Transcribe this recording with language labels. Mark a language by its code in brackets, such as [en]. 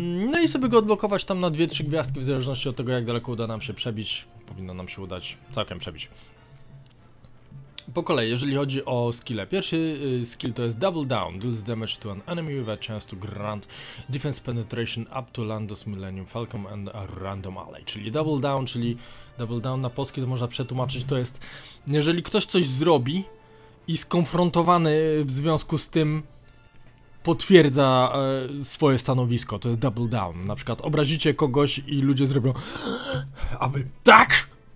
[pl] No i sobie go odblokować tam na 2-3 gwiazdki, w zależności od tego, jak daleko uda nam się przebić. Powinno nam się udać całkiem przebić. Po kolei, jeżeli chodzi o skille. Pierwszy skill to jest Double Down. [en] Deals damage to an enemy with a chance to grant defense penetration up to Lando's Millennium Falcon and a random ally. [pl] Czyli Double Down na polski to można przetłumaczyć, to jest, jeżeli ktoś coś zrobi i skonfrontowany w związku z tym potwierdza swoje stanowisko, to jest Double Down. Na przykład obrazicie kogoś i ludzie zrobią: aby tak!